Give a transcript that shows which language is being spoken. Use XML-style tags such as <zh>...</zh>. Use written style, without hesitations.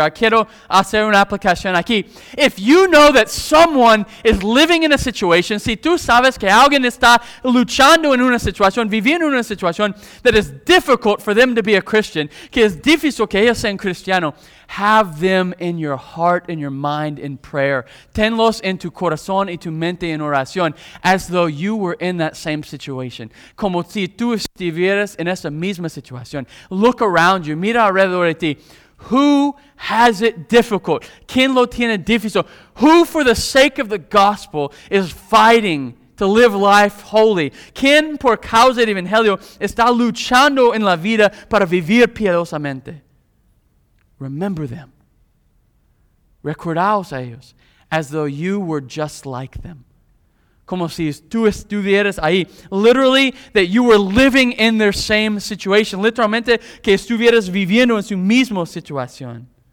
<en>I</en> <es>quiero hacer una aplicación aquí.</es> <en>If you know that someone is living in a situation,</en> <es>si tú sabes que alguien está luchando en una situación,</es> <en>viviendo en una situación that is difficult for them to be a Christian,</en> <es>que es difícil que ellos sean cristiano,</es> <en>have them in your heart, in your mind, in prayer.</en> <es>Tenlos en tu corazón y tu mente en oración,</es> <en>as though you were in that same situation.</en> <es>Como si tú estuvieras en esa misma situación.</es> <en>Look around you.</en> <es>Mira alrededor de ti.</es> <en>Who has it difficult?</en> <es>¿Quién lo tiene difícil?</es> <en>Who, for the sake of the gospel, is fighting to live life holy?</en> <es>¿Quién, por causa del evangelio, está luchando en la vida para vivir piadosamente?</es> <en>Remember them.</en> <es>Recordaos a ellos,</es> <en>as though you were just like them.</en> <es>Como si tú estuvieras ahí.</es> <en>Literally, that you were living in their same situation.</en> <es>Literalmente, que estuvieras viviendo en su mismo situación.</es>